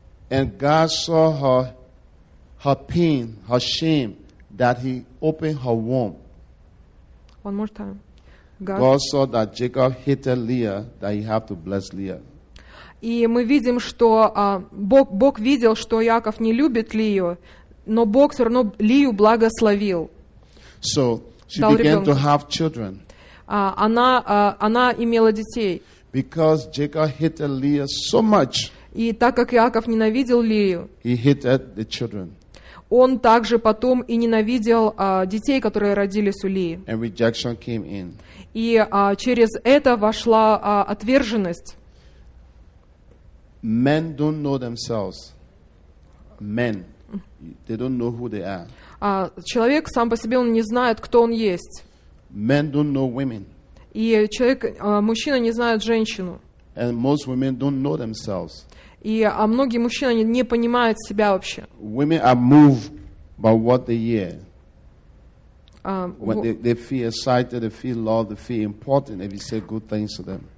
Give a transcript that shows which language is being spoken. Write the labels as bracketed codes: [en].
[en] And God saw her pain, her shame, that he opened her womb. One more time. God saw that Jacob hated Leah, that he had to bless Leah. [ru] И мы видим, что Бог видел, что Яков не любит Лию, но Бог все равно Лию благословил. [en] So she began [ru] ребенка. [en] To have children. [ru] Она имела детей. [en] Because Jacob hated Leah so much. [ru] И так как Яков ненавидел Лию. [en] He hated the children. [ru] Он также потом и ненавидел детей, которые родились у Лии. [en] And rejection came in. [ru] И через это вошла отверженность. [en] Men don't know themselves. Men, they don't know who they are. [ru] Человек сам по себе, он не знает, кто он есть. [en] Men don't know women. [ru] И человек, мужчина не знает женщину. [en] And most women don't know themselves. [ru] И многие мужчины не понимают себя вообще. [en] Women are moved by what they hear. When they feel excited, they feel loved, they feel important if you say good things to them.